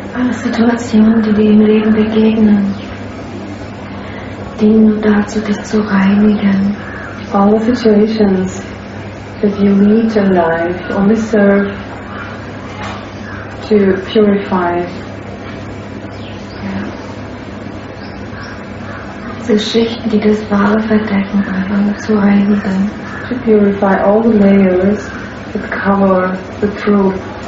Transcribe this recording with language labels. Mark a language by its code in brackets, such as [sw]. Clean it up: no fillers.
[de] Situationen, die dir im Leben begegnen, dienen nur dazu, dich zu reinigen. [en] All the situations that you meet in life only serve to purify. [de] Diese Schichten, die das Wahre verdecken, einfach zu reinigen. [en] To purify all the layers that cover the truth.